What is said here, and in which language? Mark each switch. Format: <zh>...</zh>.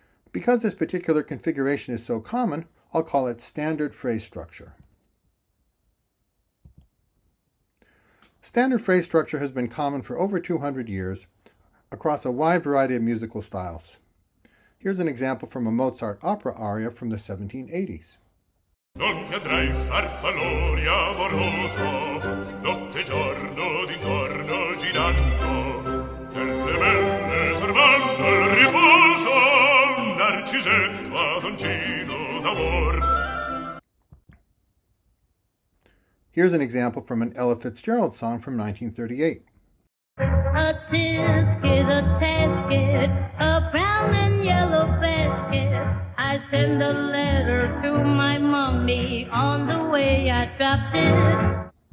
<en>Because this particular configuration is so common, I'll call it standard phrase structure. Standard phrase structure has been common for over 200 years across a wide variety of musical styles. Here's an example from a Mozart opera aria from the 1780s.</en> <it>Non ti andrai farfallone amoroso, notte giorno d'intorno girando, nelle belle turbando il riposo, narcisetto adoncino d'amor.</it> <en>Here's an example from an Ella Fitzgerald song from 1938. A tisket, a tisket, a brown and yellow basket. I send a letter to my mummy, on the way I dropped it.</en>